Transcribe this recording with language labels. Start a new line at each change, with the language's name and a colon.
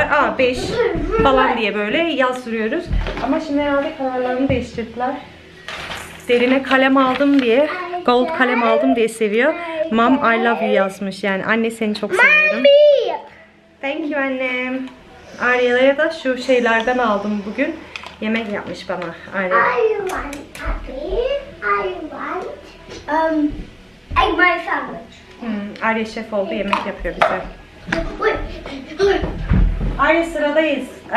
Turkish: Aa 5 falan diye böyle yazdırıyoruz. Ama şimdi herhalde kararlarını değiştirdiler. Derine kalem aldım diye. Gold kalem aldım diye seviyor.
English: Mom I love you
Turkish: yazmış. Yani anne seni çok seviyorum.
English: Thank you
Turkish: annem. Arya'ya da şu şeylerden aldım bugün. Yemek yapmış bana Arya.
English: I want puppy. I want egg my sandwich.
Turkish: Arya şef oldu, yemek yapıyor bize. Arya sıradayız.